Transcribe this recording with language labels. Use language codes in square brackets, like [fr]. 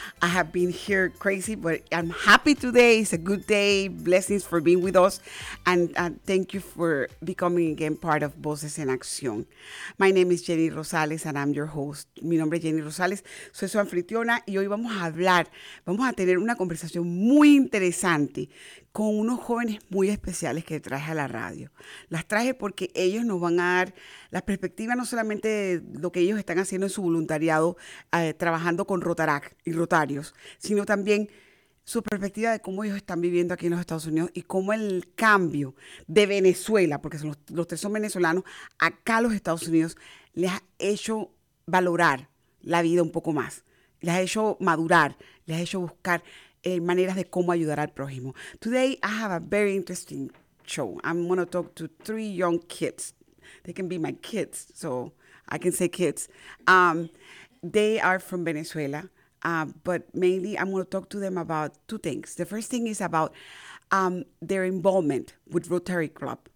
[en] I have been here crazy, but I'm happy today. It's a good day. Blessings for being with us. And thank you for becoming again part of Voces en Acción. My name is Jenny Rosales and I'm your host. [es] Mi nombre es Jenny Rosales. Soy su anfitriona y hoy vamos a hablar. Vamos a tener una conversación muy interesante con unos jóvenes muy especiales que traje a la radio. Las traje porque ellos nos van a dar la perspectiva no solamente de lo que ellos están haciendo en su voluntariado, trabajando con Rotarac y Rotarios, sino también su perspectiva de cómo ellos están viviendo aquí en los Estados Unidos y cómo el cambio de Venezuela, porque los tres son venezolanos, acá a los Estados Unidos les ha hecho valorar la vida un poco más, les ha hecho madurar, les ha hecho buscar maneras de cómo ayudar al prójimo. [en] Today I have a very interesting show. I'm going to talk to three young kids. They can be my kids, so I can say kids. They are from Venezuela, but mainly I'm going to talk to them about two things. The first thing is about their involvement with Rotary Club.